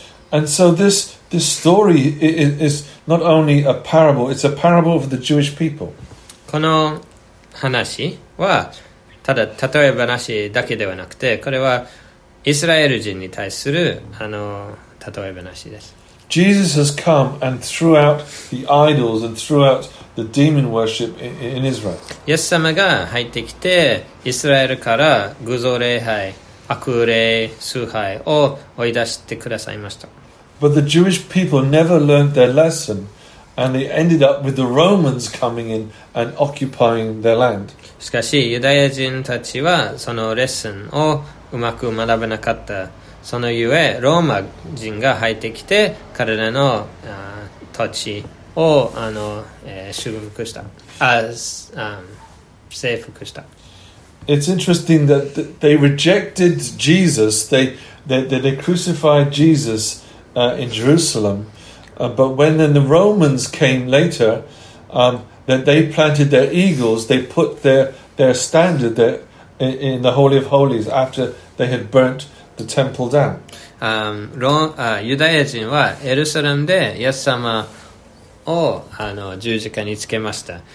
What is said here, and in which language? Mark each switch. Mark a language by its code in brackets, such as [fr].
[en] And so this story is not only a parable, it's a parable of the Jewish people. [ja] この話はただ例え話だけではなくて、これはイスラエル人に対する例え話です。 [en] Jesus has come and threw out the idols and threw out the demon worship in Israel. [ja] イエス様が入ってきて、イスラエルから偶像礼拝、悪霊崇拝を追い出してくださいました。 [en] But the Jewish people never learned their lesson, and they ended up with the Romans coming in and occupying their land. [ja] しかし、ユダヤ人たちはそのレッスンをうまく学べなかった。そのゆえローマ人が入ってきて彼らの土地を収復した、征服した。 [en] It's interesting that they rejected Jesus. They crucified Jesus in Jerusalem. But when then the Romans came later, that they planted their eagles, they put their standard there in the Holy of Holies after they had burntThe temple down. [ja] ユダヤ人はエルサレムでイエス様を十字架につけました。